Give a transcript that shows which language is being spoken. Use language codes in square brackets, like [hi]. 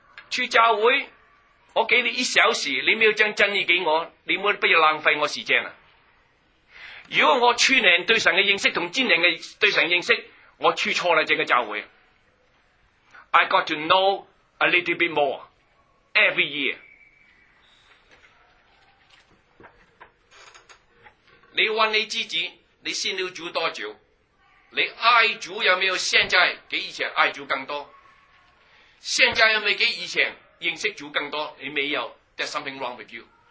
[zh] 去教会，我给你一小时，你没有将真理给我，你们不要浪费我时间了。如果我去年对神的认识同今年的对神认识，我去错了这个教会。 [en] I got to know a little bit more every year。 [zh] 你问你自己，你信了主多久？你爱主有没有现在比以前爱主更多？现在有没有比以前认识主更多？你没有， [en] there's something wrong with you。